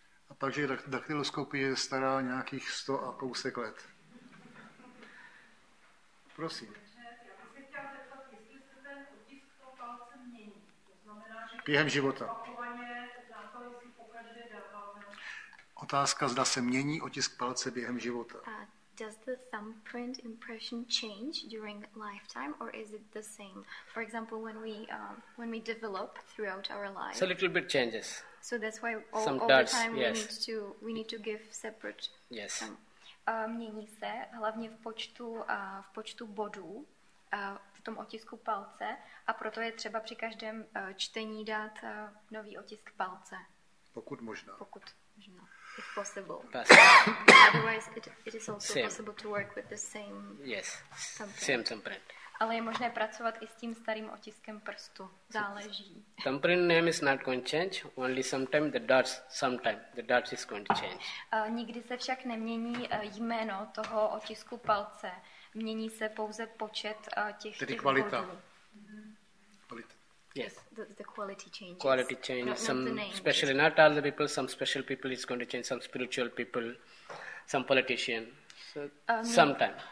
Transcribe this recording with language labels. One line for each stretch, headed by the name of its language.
Czech: A takže daktyloskopie je stará nějakých 100 a kousek let. Prosím. Během života. Otázka, zda se mění otisk palce během života.
English: Does the thumbprint impression change during lifetime or is it the same? For example, when we develop throughout our lives. So a little bit changes. So that's why all the time we need to give separate. Yes.
Czech: Mění se hlavně v počtu bodů v tom otisku palce a proto je třeba při každém čtení dát nový otisk palce. Pokud možná. Pokud možná.
English: If possible. Otherwise, it is also same. Possible to work with the same. Yes. Same thumbprint.
Czech: Ale je možné pracovat i s tím starým otiskem prstu. Záleží.
English: Thumbprint name is not going to change. Only sometime the dots is going to change.
Czech: Nikdy se však nemění jméno toho otisku palce. Mění se pouze počet těch. Tedy kvalita.
English: Yes. The quality changes. Quality changes. Not some the name. Especially not all the people. Some special people is going to change. Some spiritual people. Some politician. Sometime.